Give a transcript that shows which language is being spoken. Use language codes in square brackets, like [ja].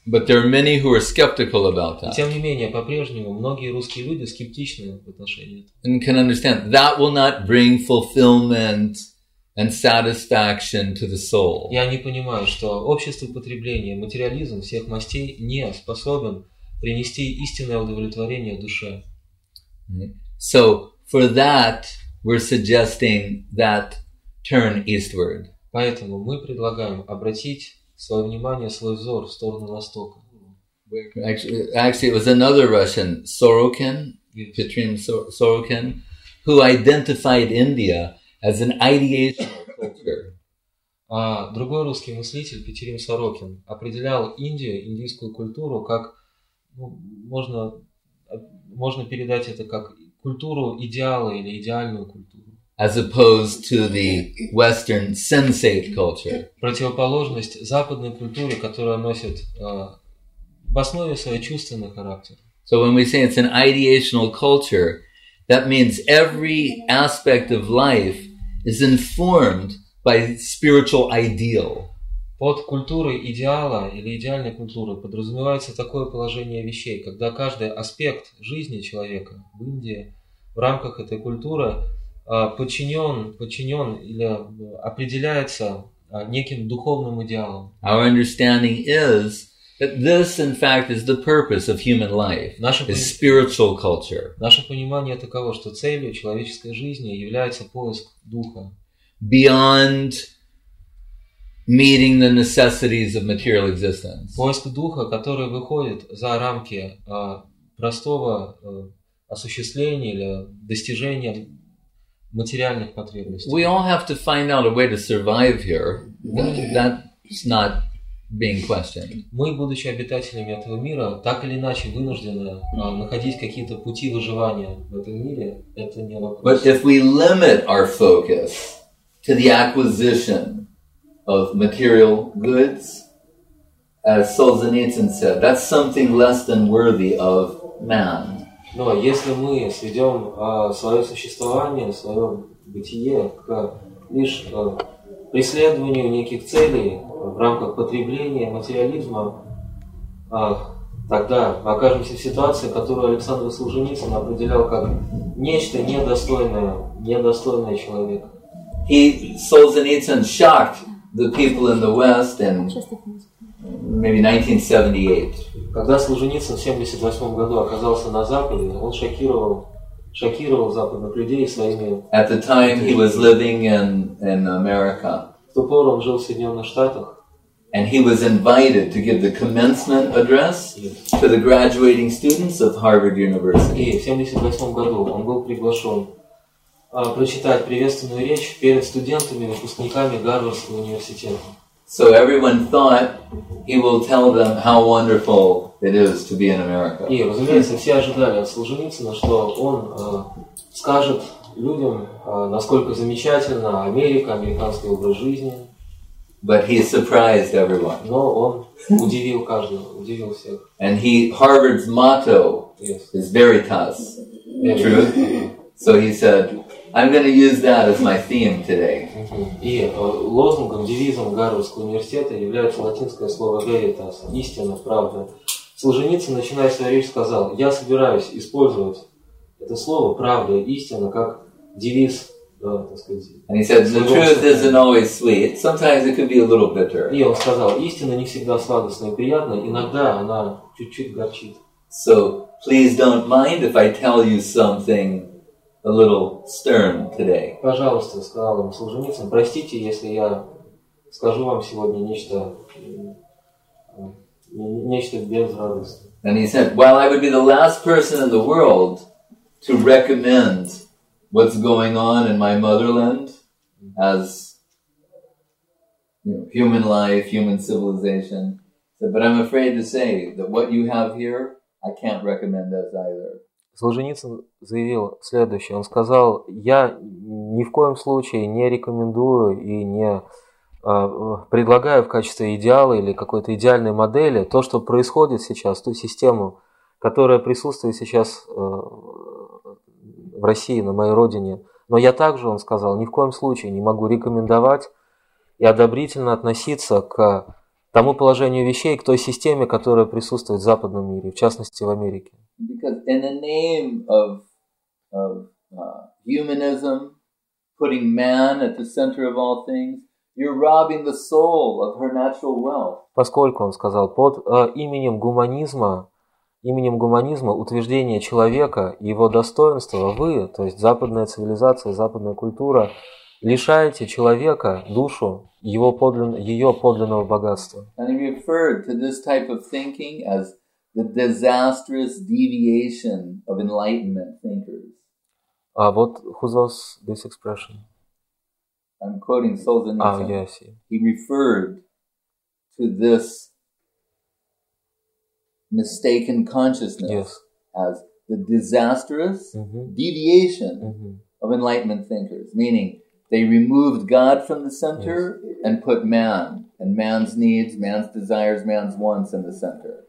[en] But there are many who are skeptical about that. [ru] И, тем не менее, по-прежнему многие русские люди скептичны в отношении этого. [en] And can understand that will not bring fulfillment and satisfaction to the soul. [ru] Я не понимаю, что общество потребления, материализм всех мастей не способен принести истинное удовлетворение душе. [en] So for that we're suggesting that turn eastward. [ru] Поэтому мы предлагаем обратить свое внимание, свой взор в сторону востока. [en] Actually, it was another Russian, Sorokin, yes. Petrin Sorokin, who identified India as an ideational culture. [ru] Другой русский мыслитель, Петерин Сорокин, определял Индию, индийскую культуру, как, ну, можно передать это как культуру идеала или идеальную культуру. [en] As opposed to the Western sensate culture. [ru] Противоположность западной культуре, которая носит в основе своей чувственный характер. [en] So when we say it's an ideational culture, that means every aspect of life is informed by spiritual ideal. [ru] Под культурой идеала или идеальной культурой подразумевается такое положение вещей, когда каждый аспект жизни человека в Индии в рамках этой культуры подчинен или определяется неким духовным идеалом. [en] Our understanding is that this, in fact, is the purpose of human life, is spiritual culture. [ru] Наше понимание таково, что целью человеческой жизни является поиск духа. [en] Beyond meeting the necessities of material existence. [ru] Поиск духа, который выходит за рамки простого осуществления или достижения материальных потребностей. [en] We all have to find out a way to survive here. That's not being questioned. [ru] Мы, будучи обитателями этого мира, так или иначе вынуждены находить какие-то пути выживания в этом мире. Это не вопрос. [en] But if we limit our focus to the acquisition of material goods, as Solzhenitsyn said, that's something less than worthy of man. [ru] Но если мы сведем свое существование, свое бытие к лишь преследованию неких целей в рамках потребления, материализма, тогда окажемся в ситуации, которую Александр Солженицын определял как нечто недостойное, недостойное человека. [en] He, Solzhenitsyn, shocked the people in the West and maybe 1978. [ru] Когда Солженицын в 78 году оказался на Западе, он шокировал западных людей своими. [en] At the time he was living in America. [ru] В ту пору он жил в Соединенных Штатах. [en] And he was invited to give the commencement address to the graduating students of Harvard University. [ru] И в 78 году он был приглашен прочитать приветственную речь перед студентами, выпускниками Гарвардского университета. [en] So everyone thought he will tell them how wonderful it is to be in America. [ru] И, разумеется, все ожидали от Солженицына, что он скажет людям, насколько замечательна Америка, американский образ жизни. [en] But he surprised everyone. [ru] Но он удивил каждого, удивил всех. [en] And he, Harvard's motto is Veritas. True. So he said, I'm going to use that as my theme today. [ru] И лозунгом, девизом Гарвардского университета является латинское слово Veritas, истина, правда. Солженицын, начиная свою речь, сказал, я собираюсь использовать это слово правда, истина, как девиз. [en] And he said, the truth isn't always sweet. Sometimes it could be a little bitter. [ru] И он сказал, истина не всегда сладостная и приятная. Иногда она чуть-чуть горчит. [en] So please don't mind if I tell you something a little stern today. [ru] Пожалуйста, сказал ему Солженицын, простите, если я скажу вам сегодня нечто без радости. [en] And he said, while I would be the last person in the world to recommend what's going on in my motherland as human life, human civilization. But I'm afraid to say that what you have here, I can't recommend as either. [ru] Солженицын заявил следующее. Он сказал, я ни в коем случае не рекомендую и не предлагаю в качестве идеала или какой-то идеальной модели то, что происходит сейчас, ту систему, которая присутствует сейчас в России, на моей родине. Но я также, он сказал, ни в коем случае не могу рекомендовать и одобрительно относиться к тому положению вещей, к той системе, которая присутствует в западном мире, в частности в Америке. [en] Because in the name of humanism, putting man at the center of all things, you're robbing the soul of her natural wealth. [ru] Поскольку, он сказал, под именем гуманизма, именем гуманизма, утверждение человека и его достоинства, вы, то есть западная цивилизация, западная культура, лишаете человека, душу, ее подлинного богатства. [en] And he referred to this type of thinking as the disastrous deviation of enlightenment thinkers. А вот Хузос, this expression. I'm quoting Solzhenitsyn. Ah, yes. He referred to this mistaken consciousness as the disastrous deviation of enlightenment thinkers, meaning they removed God from the center and put man and man's needs, man's desires, man's wants in the center.